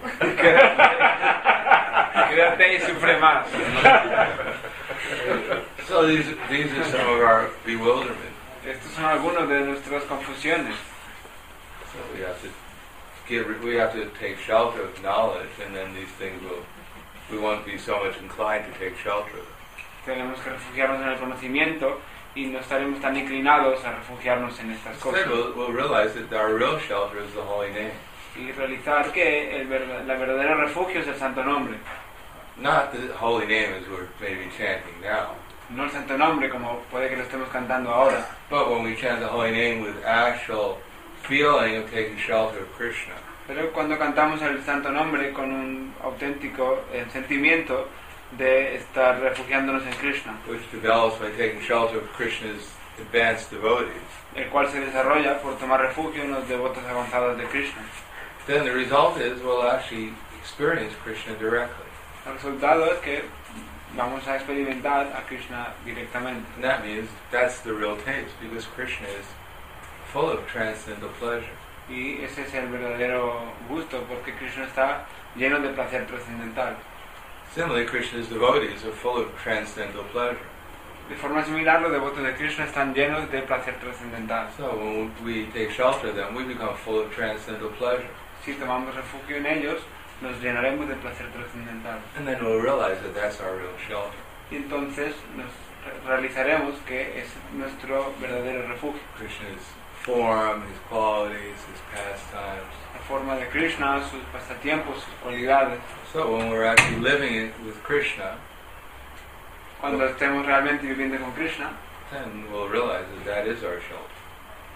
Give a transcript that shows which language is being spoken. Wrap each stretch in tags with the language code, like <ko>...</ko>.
<es>Quédate y sufre más.</es> <en>So these are some of our bewilderment.</en> <es>Estos son algunos de nuestras confusiones.</es> <en>So we have to take shelter of knowledge, and then these things will. We won't be so much inclined to take shelter of.</en> <es>Tenemos que refugiarnos en el conocimiento y no estaremos tan inclinados a refugiarnos en estas cosas.</es> <en>We'll realize that our real shelter is the holy name.</en> <es>Y realizar que la verdadera refugio es el santo nombre.</es> <en>Not the holy name as we're maybe chanting now.</en> <es>No el santo nombre como puede que lo estemos cantando ahora.</es> <en>But when we chant the holy name with actual feeling of taking shelter of Krishna.</en> <es>Pero cuando cantamos el santo nombre con un auténtico sentimiento de estar refugiándonos en Krishna,</es> <en>which develops by taking shelter of Krishna's advanced devotees,</en> <es>el cual se desarrolla por tomar refugio en los devotos avanzados de Krishna,</es> <en>then the result is we'll actually experience Krishna directly.</en> <es>El resultado es que vamos a experimentar a Krishna directamente.</es> <en>And that means that's the real taste, because Krishna is full of transcendental pleasure.</en> <es>Y ese es el verdadero gusto, porque Krishna está lleno de placer trascendental.</es> <en>Similarly, Krishna's devotees are full of transcendental pleasure.</en> <es>De forma similar, los devotos de Krishna están llenos de placer trascendental.</es> <en>So when we take shelter of them, we become full of transcendental pleasure.</en> <es>Si tomamos refugio en ellos, nos llenaremos de placer trascendental.</es> <en>And then we'll realize that that's our real shelter.</en> <es>Y entonces nos realizaremos que es nuestro verdadero refugio.</es> <en>Krishna's form, his qualities, his pastimes.</en> <es>La forma de Krishna, sus pasatiempos, sus cualidades.</es> <en>So when we're actually living it with Krishna,</en> <es>cuando estemos realmente viviendo con Krishna,</es> <en>then we'll realize that that is our shelter.</en>